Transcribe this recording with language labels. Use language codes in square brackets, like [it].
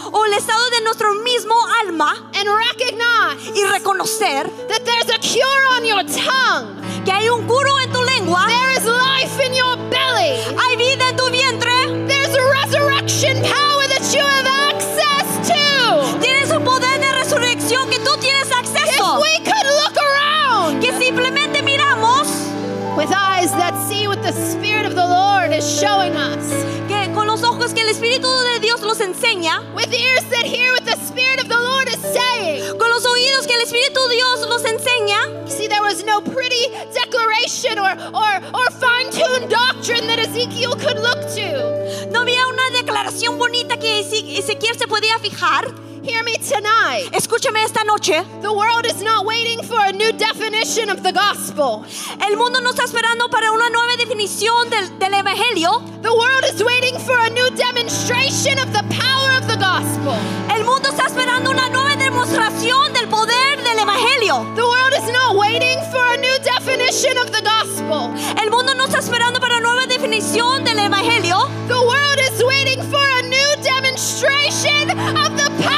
[es] O el estado de nuestro mismo alma. [en] And recognize. [es] Y reconocer. [en] That there's a cure on your tongue. [es] Que hay un curo en tu lengua. [en] There is life in your belly. [es] Hay vida en tu vientre. [en] There's a resurrection power that you have access to. [es] Tienes un poder de resurrección que tú tienes acceso. [en] If we could look around. [es] Que simplemente miramos. [en] With eyes that see what the Spirit of the Lord is showing us. [es] Que con los ojos que el Espíritu de Dios nos enseña. [en] With ears that hear what the Spirit of the Lord is saying. [es] Con los oídos que el Espíritu de Dios nos enseña. [en] See, there was no pretty declaration or fine-tuned doctrine that Ezekiel could look to. [es] No había una declaración bonita que Ezequiel se podía fijar. [en] Hear me tonight. [es] Escúchame esta noche. [en] The world is not waiting for a new definition of the gospel. [es] El mundo no está esperando para una nueva definición del evangelio. [en] The world is waiting for a new demonstration of the power of the gospel. [es] El mundo está esperando una nueva demostración del poder del evangelio. [en] The world is not waiting for a new definition of the gospel. [es] El mundo no está esperando para nueva definición del evangelio. [en] The world is waiting for a new demonstration of the power.